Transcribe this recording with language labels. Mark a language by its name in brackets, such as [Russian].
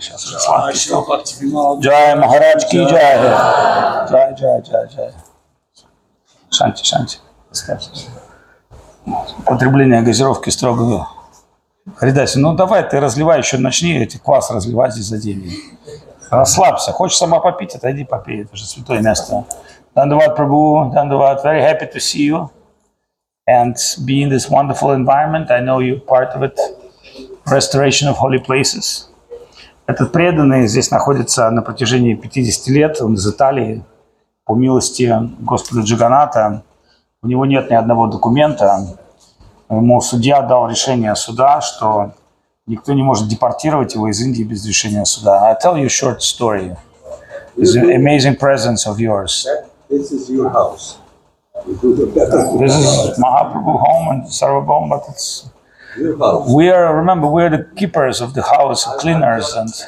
[Russian] Сейчас уже сладкий стал. Джай Махарадж Ки Джай. Джай. Шанти. Потребление газировки строго. Харидаси, ну давай ты разливай еще, начни эти квас разливать здесь за деньги. Расслабься. Хочешь сама попить, отойди попей. Это же святое место. Дандават Прабу, Дандават. [English] Very happy to see you. And be in this wonderful environment. I know you're part of it. Restoration of holy places. [Russian] Этот преданный здесь находится на протяжении 50 лет. Он из Италии. По милости Господа Джаганната. У него нет ни одного документа. Ему судья дал решение суда, что никто не может депортировать его из Индии без решения суда. [English] I'll tell you a short story. It's an amazing presence of yours. This is your house. This is Mahaprabhu home and Sarvabhaum, but it's we are the keepers of the house, cleaners, and